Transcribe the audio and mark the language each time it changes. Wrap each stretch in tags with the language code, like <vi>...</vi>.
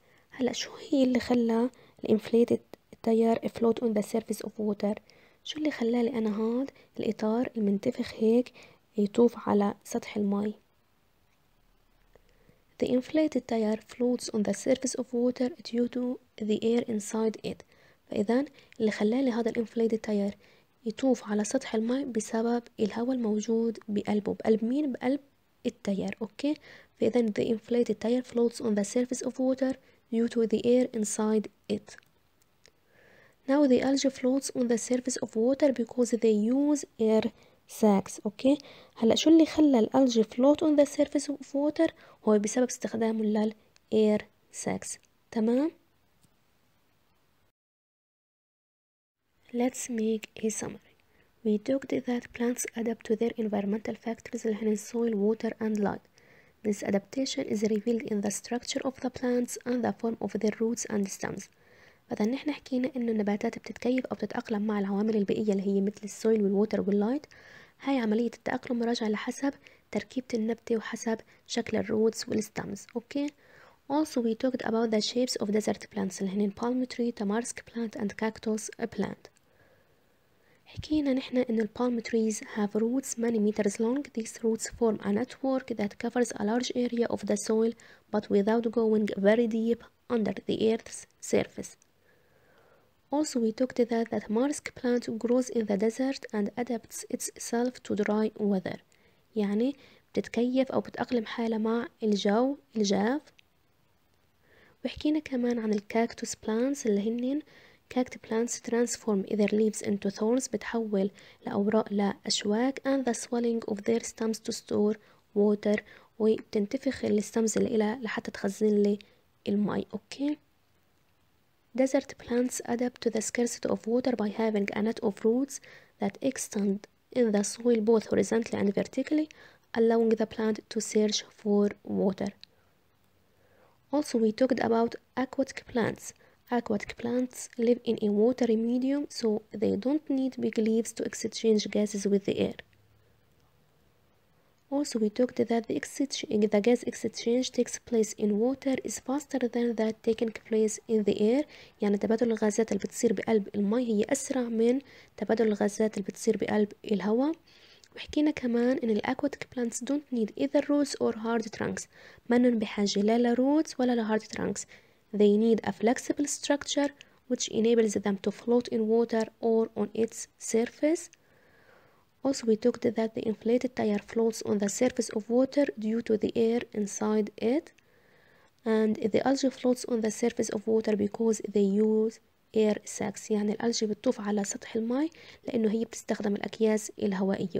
<ar>هلأ شو هي اللي خلى الانفليتد تيار افلوت اون ذا سيرفيس اوف ووتر؟ شو اللي خلاه لي انا هاد الاطار المنتفخ هيك يطوف على سطح المي؟ The inflated tire floats on the surface of water due to the air inside it. فاذا اللي خلاه لي هذا الانفليتد تيار يطوف على سطح المي بسبب الهواء الموجود بقلبه. بقلب مين؟ بقلب التيار. اوكي.</ar> <en>فاذا the inflated tire floats on the surface of water due to the air inside it. Now the algae floats on the surface of water because they use air sacs.</en> <ar>Okay. هلا شو اللي خلى الالجي float on the surface of water؟ هو بسبب استخدامه لل air sacs. تمام.</ar> <en>Let's make a summary. We talked that plants adapt to their environmental factors like soil, water, and light. This adaptation is revealed in the structure of the plants and the form of their roots and stems.</en> <ar>فإذن نحن حكينا إنه النباتات بتتكيف أو بتتأقلم مع العوامل البيئية اللي هي مثل السويل والووتر واللايت. هاي عملية التأقلم راجعة لحسب تركيبة النبتة وحسب شكل الروتس والستمز.</ar> <en>Okay. Also we talked about the shapes of desert plants اللي هنين palm tree, tamarisk plant and cactus plant. حكينا نحن إن palm trees have roots many meters long. These roots form a network that covers a large area of the soil but without going very deep under the earth's surface. Also, we talked about that tamarisk plant grows in the desert and adapts itself to dry weather.</en> <ar>يعني بتتكيف أو بتأقلم حالة مع الجو الجاف. وحكينا كمان عن الكاكتوس plants اللي هنين cacti plants transform their leaves into thorns بتحول الأوراق لأشواك and the swelling of their stems to store water وبتنتفخ الستمز اللي إلها لحتى تخزن لي المي. أوكي.</ar> <en>Desert plants adapt to the scarcity of water by having a net of roots that extend in the soil both horizontally and vertically, allowing the plant to search for water. Also, we talked about aquatic plants. Aquatic plants live in a watery medium, so they don't need big leaves to exchange gases with the air. Also, we talked that the gas exchange takes place in water is faster than that taking place in the air.</en> <ar>يعني تبادل الغازات اللي بتصير بقلب الماء هي أسرع من تبادل الغازات اللي بتصير بقلب الهواء.</ar> <en>وحكينا كمان إن الأكواتيك plants don't need either roots or hard trunks.</en> <ar>منن بحاجة لا لروتس ولا لهارد ترانكس.</ar> <en>They need a flexible structure which enables them to float in water or on its surface. Also, we talked that the inflated tire floats on the surface of water due to the air inside it. And the algae floats on the surface of water because they use air sacs.</en> <ar>يعني الألجي بتطوف على سطح الماء لأنه هي بتستخدم الأكياس الهوائية.</ar>